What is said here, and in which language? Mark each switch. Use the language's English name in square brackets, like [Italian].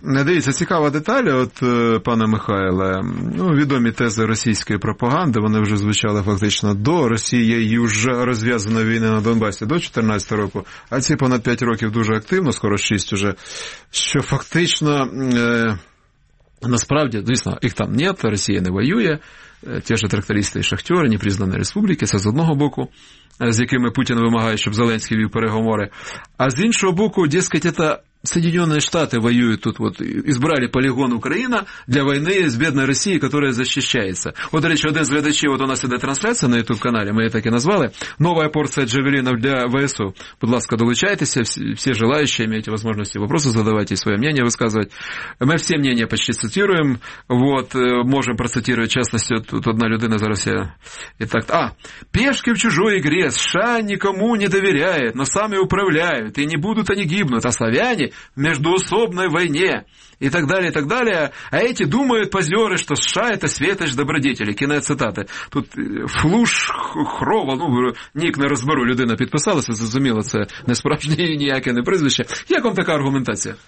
[Ukrainian] Не дивіться, цікава деталь, от, пане Михайле, ну, відомі тези російської пропаганди, вони вже звучали фактично до Росії, і вже розв'язана війна на Донбасі до 14 року, а ці понад 5 років дуже активно, скоро 6 уже, що фактично, насправді, звісно, їх там нет, Росія не воює, ті ж трактористи і шахтери, ні признані республіки, це з одного боку, з якими Путін вимагає, щоб Зеленський вів переговори. А з іншого боку, дескать, це [Russian] Соединенные Штаты воюют тут, вот избрали полигон Украина для войны с бедной Россией, которая защищается. Вот речь один из ведущих, вот у нас идет трансляция на YouTube-канале, мы ее так и назвали, новая порция джавелинов для ВСУ. Пожалуйста, долучайтесь, все желающие, имеете возможность вопросы задавать и свое мнение высказывать. Мы все мнения почти цитируем, вот, можем процитировать, в частности, тут [Ukrainian] одна людина зараз [Russian] я и так. А, пешки в чужой игре, США никому не доверяют, но сами управляют, и не будут они гибнуть, а славяне в междоусобной войне и так далее, и так далее. А эти думают, позеры, что США это светоч добродетели. [Ukrainian] Кінець цитаты. Тут Флуш Хрова, ну, [Russian] ник не разберу, [Ukrainian] людина подписалась, зрозуміло, це не справжнє ніяке не прізвище. Як вам така аргументація?